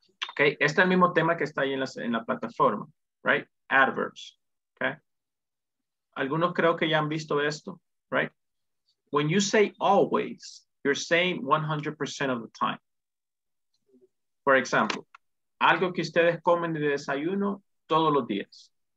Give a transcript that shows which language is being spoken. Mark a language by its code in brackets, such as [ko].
[es] Okay, este es el mismo tema que está ahí en la plataforma, right? Adverbs, okay? Algunos creo que ya han visto esto, right? [en] When you say always, you're saying 100% of the time. For example, [es] algo que ustedes comen de desayuno todos los días.